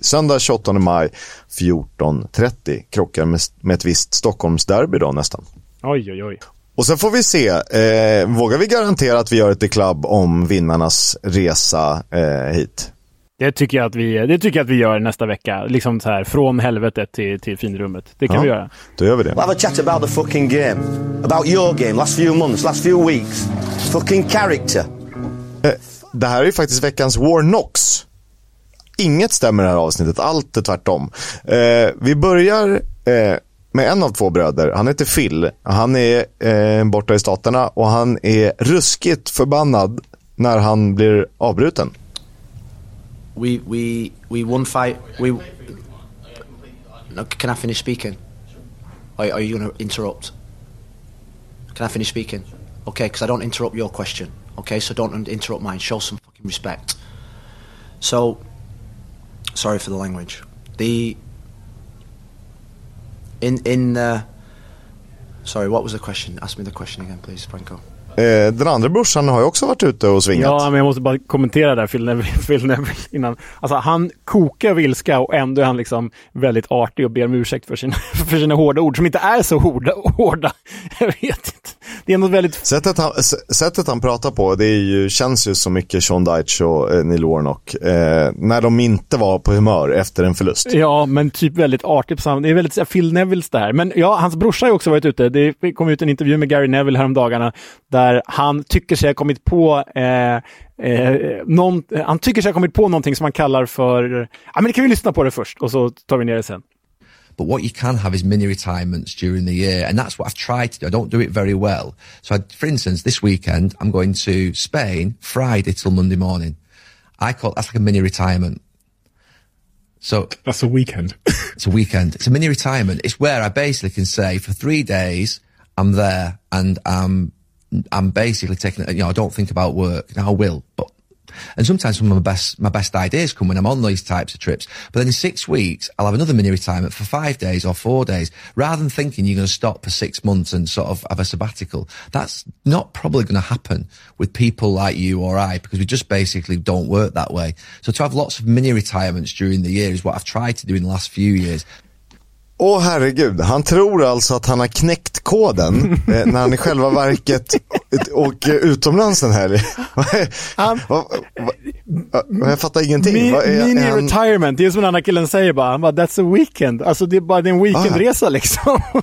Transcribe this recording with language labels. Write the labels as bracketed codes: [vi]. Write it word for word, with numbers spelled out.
[sv] Söndag tjugoåttonde maj fjorton trettio krockar med, med ett visst Stockholms derby då nästan. Oj, oj, oj. Och sen får vi se, eh, vågar vi garantera att vi gör ett The Club om vinnarnas resa eh, hit? Det tycker jag att vi, det tycker jag att vi gör nästa vecka, liksom så här från helvetet till till finrummet. Det kan ja, vi göra. Då gör vi det. [en] We'll have a chat about the fucking game, about your game, last few months, last few weeks. Fucking character. [sv] Det här är ju faktiskt veckans War Knocks. Inget stämmer i det här avsnittet, allt är tvärtom. Eh, vi börjar eh, med en av två bröder. Han heter Phil. Han är eh, borta i Staterna och han är ruskigt förbannad när han blir avbruten. [en] We we we won fight. We no. Can I finish speaking? Or are you going to interrupt? Can I finish speaking? Okay, because I don't interrupt your question. Okay, so don't interrupt mine. Show some fucking respect. So, sorry for the language. The in in the sorry. What was the question? Ask me the question again, please, Franco. [sv] Den andra brorsan har ju också varit ute och svingat. Ja, men jag måste bara kommentera där Phil Neville, Phil Neville innan. Alltså han kokar vilska och ändå är han liksom väldigt artig och ber om ursäkt för sina, för sina hårda ord som inte är så hårda. hårda. Jag vet inte. Det är något väldigt... Sättet han, sättet han pratar på, det är ju, känns ju så mycket Sean Dyche och eh, Neil Warnock. Eh, när de inte var på humör efter en förlust. Ja, men typ väldigt artigt. Det är väldigt så här, Phil Nevilles det här. Men ja, hans brorsa har ju också varit ute. Det kom ut en intervju med Gary Neville häromdagarna där han tycker sig ha kommit på eh, eh, någon, han tycker sig ha kommit på någonting som man kallar för ja, men det kan vi lyssna på det först och så tar vi ner det sen. [en] But what you can have is mini retirements during the year, and that's what I've tried to do. I don't do it very well. So I, for instance, this weekend I'm going to Spain Friday till Monday morning. I call that's like a mini retirement. So that's a weekend. It's a weekend. It's a mini retirement. It's where I basically can say for three days I'm there and I'm I'm basically taking it, you know, I don't think about work. Now I will, but, and sometimes some of my best, my best ideas come when I'm on these types of trips. But then in six weeks, I'll have another mini retirement for five days or four days rather than thinking you're going to stop for six months and sort of have a sabbatical. That's not probably going to happen with people like you or I because we just basically don't work that way. So to have lots of mini retirements during the year is what I've tried to do in the last few years. [sv] Åh oh, herregud, han tror alltså att han har knäckt koden eh, när han i själva verket åker utomlands den här. um, va, va, va, jag fattar ingenting. Mini, va, är, mini är han... retirement, det är som den andra killen säger bara, han bara, [en] that's a weekend. [sv] Alltså det är bara det är en weekendresa ah. liksom.